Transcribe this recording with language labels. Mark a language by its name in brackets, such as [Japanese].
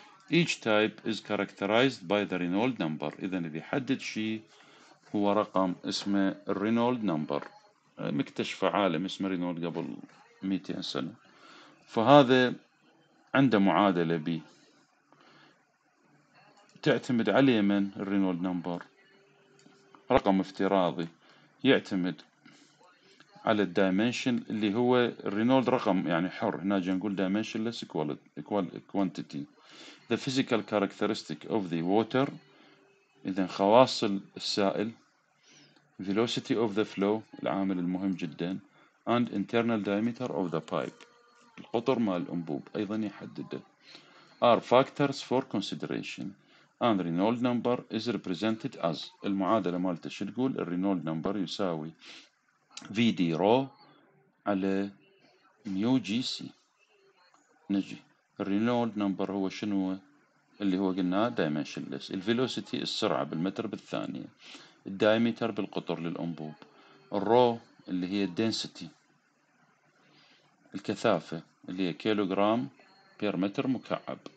[English] Each type is characterized by the Reynold number. [Arabic] اذا اللي يحدد شيء هو رقم اسمه رينولد نمبر، مكتشف عالم اسمه رينولد قبل 200 سنة، فهذا عنده معادلة بي تعتمد على يمن رينولد نمبر، رقم افتراضي يعتمد على الدايمنشن اللي هو رينولد رقم يعني حر، هنا جا نقول [English] dimensionless quantity. The physical characteristic of the water، [Arabic] إذا خواص السائل، [English] velocity of the flow [Arabic] العامل المهم جدا، [English] and internal diameter of the pipe [Arabic] القطر مع الأنبوب أيضا يحدده، [English] are factors for consideration. And Reynold number is represented as، [Arabic] المعادلة مالته شو تقول، Reynold number يساوي VD رو على ميو جي سي. نجي رينولد نمبر هو شنو، اللي هو قلنا دايمنشنلس، الفيلوسيتي السرعة بالمتر بالثانية، الدايمتر بالقطر للأنبوب، الرو اللي هي الدنسيتي الكثافة اللي هي كيلوغرام بير متر مكعب.